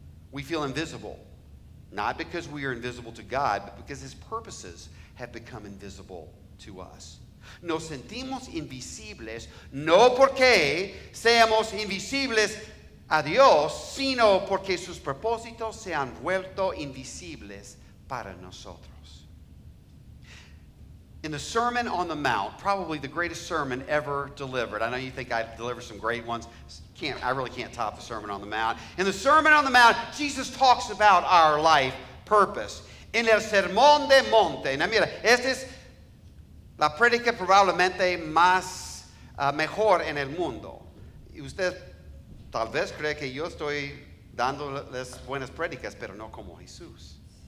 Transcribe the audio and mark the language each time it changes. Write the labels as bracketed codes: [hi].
[en] We feel invisible, not because we are invisible to God, but because his purposes have become invisible to us. [es] Nos sentimos invisibles no porque seamos invisibles a Dios, sino porque sus propósitos se han vuelto invisibles para nosotros. [en] In the Sermon on the Mount, probably the greatest sermon ever delivered. I know you think I delivered some great ones. I really can't top the Sermon on the Mount. In the Sermon on the Mount, Jesus talks about our life purpose. [es] En el Sermón de Monte. Now mira, esta es la prédica probablemente más mejor en el mundo. Y usted tal vez cree que yo estoy dándoles buenas prédicas, pero no como Jesús.